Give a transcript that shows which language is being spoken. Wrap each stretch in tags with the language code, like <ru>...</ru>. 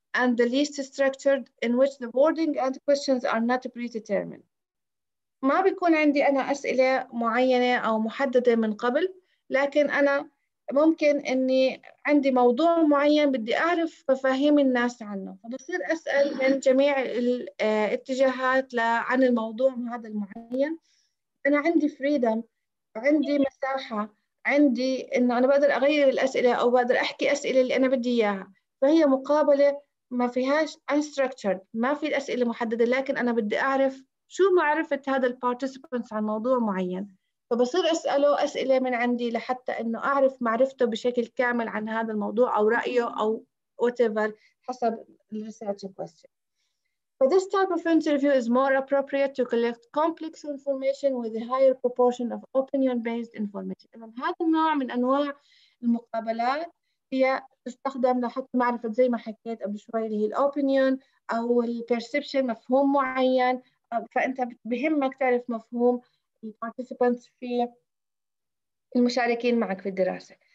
<en>and the least structured, in which the wording and questions are not predetermined.</en> <ar>ما بيكون عندي أنا أسئلة معينة أو محددة من قبل، لكن أنا ممكن إني عندي موضوع معين بدي أعرف مفاهيم الناس عنه، فبصير أسأل من جميع الاتجاهات عن الموضوع هذا المعين. أنا عندي فريدم، عندي مساحة، عندي إنه أنا بقدر أغير الأسئلة أو بقدر أحكي أسئلة اللي أنا بدي إياها، فهي مقابلة ما فيهاش unstructured، ما في أسئلة محددة، لكن أنا بدي أعرف شو معرفة هذا الparticipants عن موضوع معين، فبصير أسأله أسئلة من عندي لحتى إنه أعرف معرفته بشكل كامل عن هذا الموضوع أو رأيه أو whatever حسب research question.</ar> <en>But this type of interview is more appropriate to collect complex information with a higher proportion of opinion-based information.</en> <ar>إذن هذا النوع من أنواع المقابلات هي تستخدم لحتى معرفة زي ما حكيت قبل شوي اللي هي الopinion أو الperception مفهوم معين، فأنت بهمك تعرف مفهوم الparticipants في المشاركين معك في الدراسة.</ar>